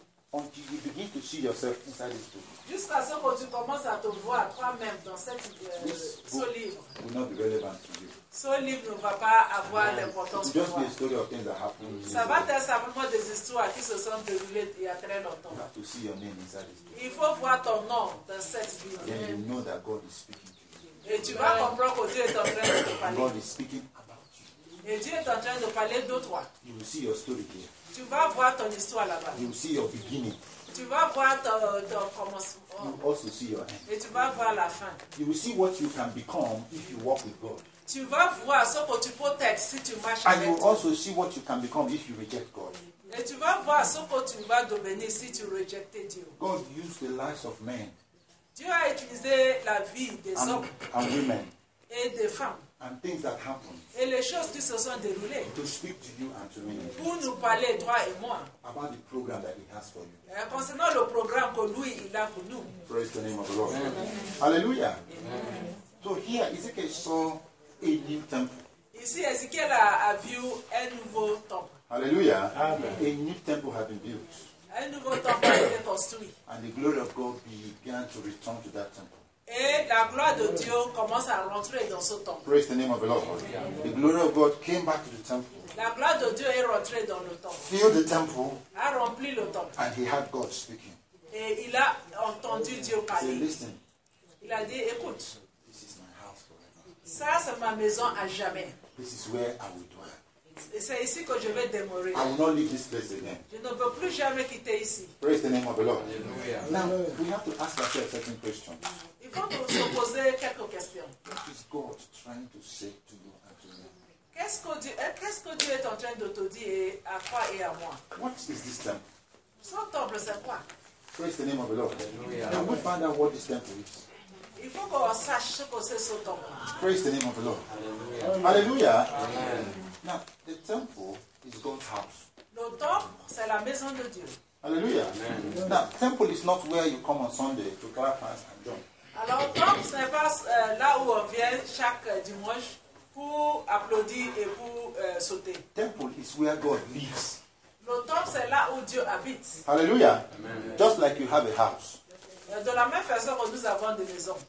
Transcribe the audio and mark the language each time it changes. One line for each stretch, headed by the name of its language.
English: Until you begin to see yourself inside this book.
French: Jusqu'à ce que tu commences à te voir toi-même dans ce livre.
English: Will not be relevant to you.
French: Ce livre ne va pas avoir l'importance
English: just
French: pour
English: the story of things that happened.
French: Ça va être simplement des histoires qui se sont déroulées il y a très longtemps.
English: You have to see your name inside this book.
French: Il faut voir ton nom dans cette Bible.
English: Then you know that God is speaking to you.
French: Et tu vas comprendre que Dieu est en train de te parler.
English: God is speaking about you.
French: Et Dieu est en train de parler de toi.
English: You will see your story here.
French: Tu vas voir ton histoire là-bas.
English: You will see your beginning.
French: Tu vas voir ton commencement.
English: You will also see your end.
French: Et tu vas voir la fin.
English: You will see what you can become if you walk with God.
French: Tu vas voir ce que tu peux être si tu marches avec Dieu.
English: And you also see what you can become if you reject God.
French: Et tu vas voir ce que tu vas devenir si tu rejectes Dieu.
English: God used the lives of men.
French: Dieu a utilisé la vie des hommes.
English: And women.
French: Et des femmes.
English: And things that happened.
French: Et les choses qui se sont déroulées.
English: To speak to you and to me.
French: Pour nous parler, toi et moi.
English: About the program that he has for you.
French: Et concernant le programme que lui, il a pour nous.
English: Praise the name of the Lord. Amen. Hallelujah. Amen. So here, Ezekiel saw a new temple.
French: Ici, Ezekiel a vu un nouveau temple. Hallelujah. Amen.
English: A new temple had been built.
French: Un nouveau temple a été construit.
English: And the glory of God began to return to that temple.
French: Et la gloire de Dieu commence à rentrer dans ce temple.
English: Praise the name of the Lord. Amen. The glory of God came back to the temple.
French: La gloire de Dieu est rentrée dans le temple.
English: Filled the temple.
French: A rempli le temple.
English: And he heard God speaking.
French: Et il a entendu Dieu parler.
English: He said, listen.
French: Il a dit, écoute.
English: This is my house forever.
French: Ça, c'est ma maison à jamais.
English: This is where I will dwell.
French: C'est ici que je vais demeurer.
English: I will not leave this place again.
French: Je ne veux plus jamais quitter ici.
English: Praise the name of the Lord. Hallelujah. Now, we have to ask ourselves certain questions.
French: Il faut nous poser quelques questions.
English: What is God trying to say to you and to me?
French: Qu'est-ce que Dieu est en train de te dire à toi et à moi?
English: What is this temple?
French: Ce temple, c'est quoi?
English: Praise the name of the Lord. Hallelujah. Now we find out what this temple is.
French: Il faut qu'on sache ce que c'est ce temple.
English: Praise the name of the Lord. Hallelujah. Hallelujah. Amen. Now, the temple is God's house.
French: Le temple, c'est la maison de Dieu. Hallelujah. Amen.
English: Now, temple is not where you come on Sunday to clap hands and jump.
French: Alors, temple, ce n'est pas là où on vient chaque dimanche pour applaudir et pour sauter.
English: Temple is where God lives.
French: Le temple, c'est là où Dieu habite. Hallelujah. Amen.
English: Just like you have a house.
French: De la même façon que nous avons des maisons.